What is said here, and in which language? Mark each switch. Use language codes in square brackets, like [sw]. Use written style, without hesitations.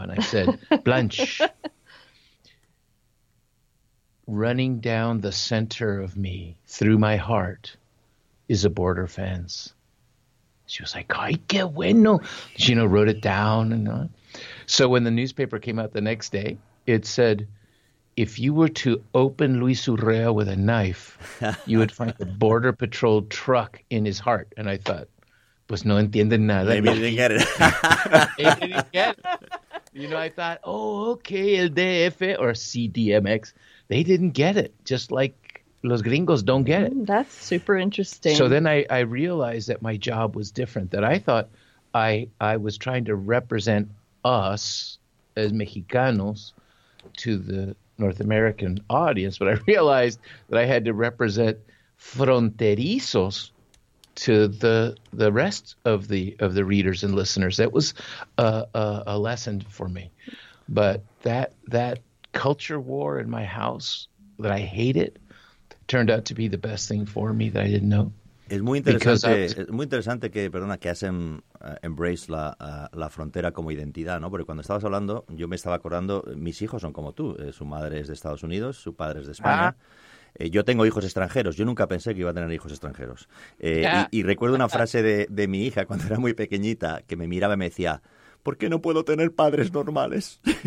[en] And I said, Blanche, running down the center of me through my heart is a border fence. She was like, [es] ay, qué bueno. [en] She, you know, wrote it down. And so when the newspaper came out the next day, it said, if you were to open Luis Urrea with a knife, you would find a border patrol truck in his heart. [es] And I thought, pues no entienden nada. [en] Maybe they didn't get it. You know, I thought, oh, okay, el DF or CDMX. They didn't get it, just like [es] los gringos [en] don't get it. That's super interesting. So then I realized that my job was different, that I thought I was trying to represent us as Mexicanos to the North American audience, but I realized that I had to represent fronterizos to the rest of the readers and listeners. That was a lesson for me. But that culture war in my house, that I hate it, turned out to be the best thing for me that I didn't know. [es] Es muy interesante, que, perdona, que has embrace la frontera como identidad, ¿no? Porque cuando estabas hablando, yo me estaba acordando, mis hijos son como tú, su madre es de Estados Unidos, su padre es de España. Yo tengo hijos extranjeros, yo nunca pensé que iba a tener hijos extranjeros. Y recuerdo una frase de mi hija cuando era muy pequeñita, que me miraba y me decía, ¿por qué no puedo tener padres normales?